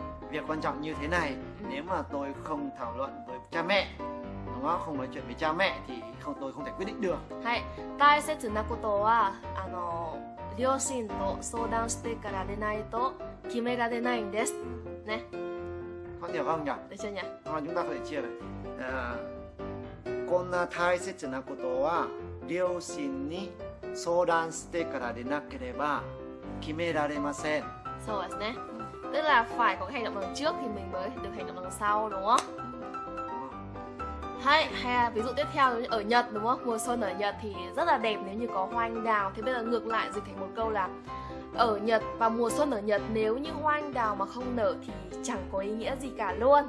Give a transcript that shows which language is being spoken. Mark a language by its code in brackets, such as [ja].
[vi] Việc quan trọng như thế này, nếu mà tôi không thảo luận với cha mẹ, không nói chuyện với cha mẹ thì không, tôi không thể quyết định được. [ja] Hai, 大切なことは両親と相談してから出ないと決められないんです。ね。 [vi] có hiểu không nhỉ? Được chưa nhỉ? Thôi chúng ta có thể chia rồi. [ja] こんな大切なことは両親に相談してから出なければ決められません。そうですね。 [vi] Tức là phải có hành động đằng trước thì mình mới được hành động đằng sau đúng không? Hay, hay là ví dụ tiếp theo ở Nhật đúng không? Mùa xuân ở Nhật thì rất là đẹp nếu như có hoa anh đào. Thế bây giờ ngược lại dịch thành một câu là ở Nhật và mùa xuân ở Nhật nếu như hoa anh đào mà không nở thì chẳng có ý nghĩa gì cả luôn.